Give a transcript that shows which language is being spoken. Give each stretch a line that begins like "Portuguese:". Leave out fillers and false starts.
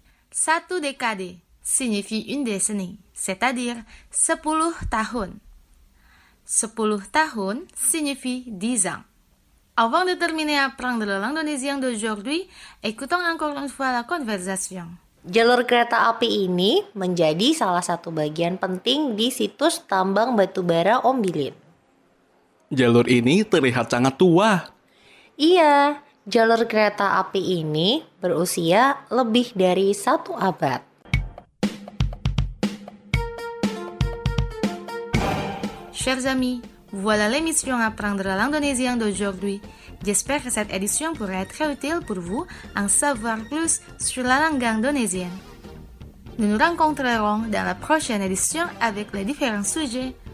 French: Satu décade signifie une décennie, c'est-à-dire 10 tahun. 10 tahun signifie 10 ans. Avant de terminer à apprendre la langue indonésien d'aujourd'hui, écoutons encore une fois la conversation.
Indonesian: Jalur kereta api ini menjadi salah satu bagian penting di situs tambang batubara Ombilin. Jalur ini terlihat sangat tua. Iya, jalur kereta api ini berusia lebih dari satu abad.
French: Chers amis, voilà l'émission Apprendre la langue indonésienne d'aujourd'hui. J'espère que cette édition pourra être très utile pour vous en savoir plus sur la langue indonésienne. Nous nous rencontrerons dans la prochaine édition avec les différents sujets.